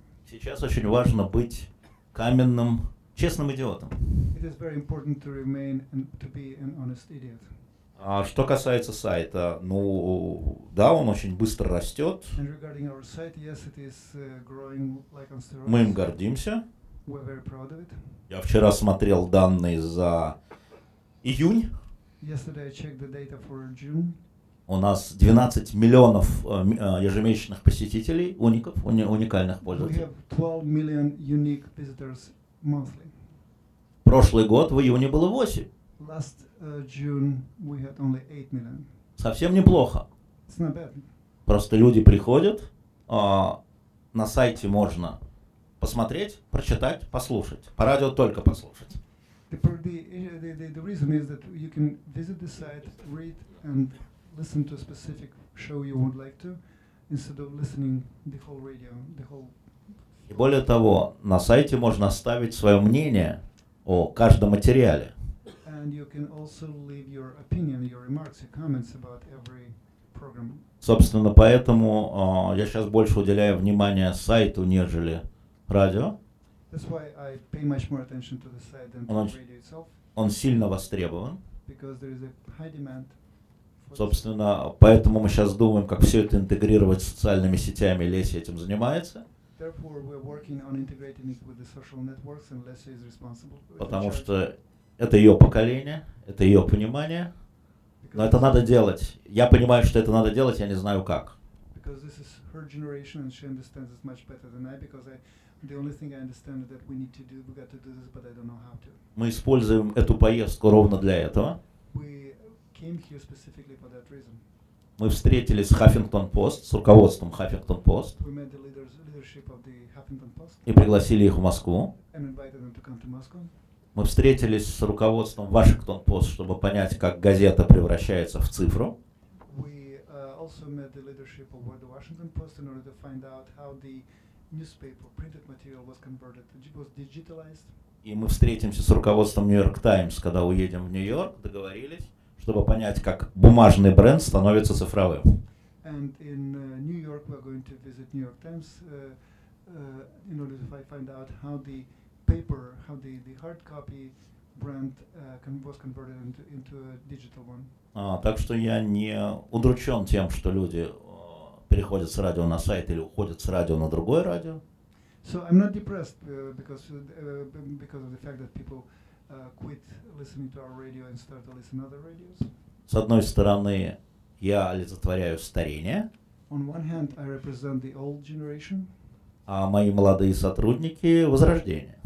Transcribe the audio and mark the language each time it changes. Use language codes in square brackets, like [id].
[ru] Сейчас очень важно быть каменным, честным идиотом. [en] It is very important to remain and to be an honest idiot. [ru] А что касается сайта, ну да, он очень быстро растет. [en] And regarding our site, yes, it is growing like on steroids. [ru] Мы им гордимся. [en] We're very proud of it. [ru] Я вчера смотрел данные за июнь. [en] Yesterday I checked the data for June. [ru] У нас 12 миллионов ежемесячных посетителей, уникальных пользователей. [en] We have 12 million unique visitors monthly. [ru] Прошлый год в июне было 8. [en] Last June we had only 8 million. [ru] Совсем неплохо. [en] It's not bad. [ru] Просто люди приходят, на сайте можно посмотреть, прочитать, послушать. По радио только послушать. [en] The reason is that you can visit the site, read, and listen to a specific show you would like to, instead of listening the whole radio, the whole. [ru] И более того, на сайте можно оставить свое мнение о каждом материале. [en] And you can also leave your opinion, your remarks, your comments about every program. [ru] Собственно, поэтому я сейчас больше уделяю внимание сайту, нежели радио. [en] That's why I pay much more attention to the site than to the radio itself. [ru] Он сильно востребован. [en] Because there is a high demand. [ru] Собственно, поэтому мы сейчас думаем, как все это интегрировать с социальными сетями. Леся этим занимается. [en] Therefore, we're working on integrating it with the social networks, and Leslie is responsible. [ru] Потому что это ее поколение, это ее понимание. Но это надо делать. Я понимаю, что это надо делать, я не знаю как. [en] Because this is her generation, and she understands it much better than I, because the only thing I understand is that we need to do, we got to do this, but I don't know how to. [ru] Мы используем эту поездку ровно для этого. [en] We came here specifically for that reason. [ru] Мы встретились с Huffington Post, с руководством Huffington Post. [en] We met the leadership of the Huffington Post. [ru] И пригласили их в Москву. [en] And invited them to come to Moscow. [ru] Мы встретились с руководством Washington Post, чтобы понять, как газета превращается в цифру. [en] We also met the leadership of the Washington Post in order to find out how the newspaper printed material was converted, was digitalized. [ru] И мы встретимся с руководством New York Times, когда уедем в Нью-Йорк, договорились, чтобы понять, как бумажный бренд становится цифровым. [en] And in New York we're going to visit New York Times in order to find out how the paper, how the hard copy brand was converted into a digital one. [ru] Так что я не удручен тем, что люди переходят с радио на сайт или уходят с радио на другое радио. [en] So I'm not depressed because of the fact that people quit listening to our radio and start to listen to other radios. [ru] С одной стороны, я олицетворяю старение. [en] On one hand, I represent the old generation. [ru] А мои молодые сотрудники – возрождение.